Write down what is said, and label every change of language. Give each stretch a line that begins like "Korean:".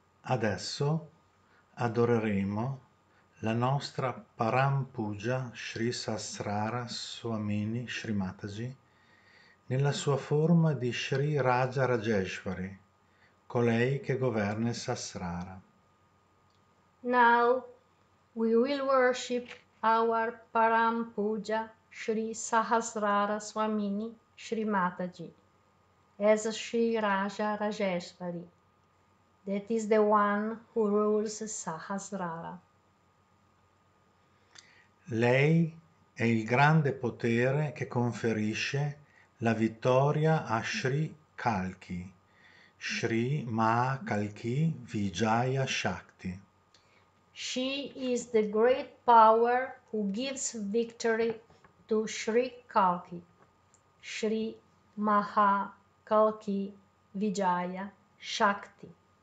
Italian: Adesso adoreremo la nostra Parampuja Sri Sasrara Swamini Srimataji nella sua forma di Sri Raja Rajeshwari, colei che governa il Sasrara.
English: Now we will worship our Parampuja Sri Sahasrara Swamini Sri Mataji as Sri Raja Rajeshwari, that is the one who rules Sahasrara.
Italian: Lei è il grande potere che conferisce la vittoria a Sri Kalki, Sri Mahakalki Vijaya Shakti.
English: She is the great power who gives victory to Sri Kalki, Sri Mahakalki Vijaya Shakti.